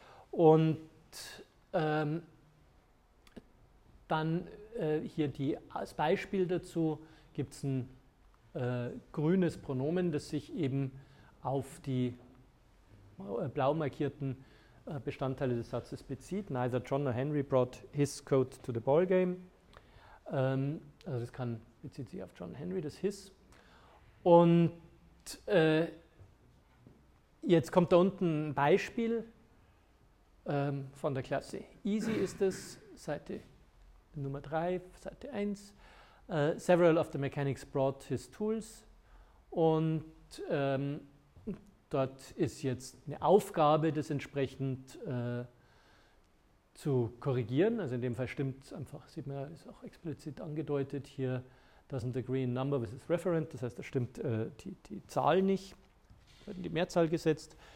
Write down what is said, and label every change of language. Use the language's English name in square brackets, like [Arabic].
[German] Und dann hier als Beispiel dazu gibt es ein grünes Pronomen, das sich eben auf die blau markierten Bestandteile des Satzes bezieht. [English] Neither John nor Henry brought his coat to the ball game. [German] Also das kann, bezieht sich auf John Henry, das his. Und jetzt kommt da unten ein Beispiel von der Klasse Easy ist es, Seite Nummer 3, Seite 1. [English] Several of the mechanics brought his tools. [German] Und dort ist jetzt eine Aufgabe, das entsprechend zu korrigieren. Also in dem Fall stimmt es einfach, sieht man, ist auch explizit angedeutet hier, [English] doesn't agree in number with its referent. [German] Das heißt, da stimmt die Zahl nicht, wird in die Mehrzahl gesetzt.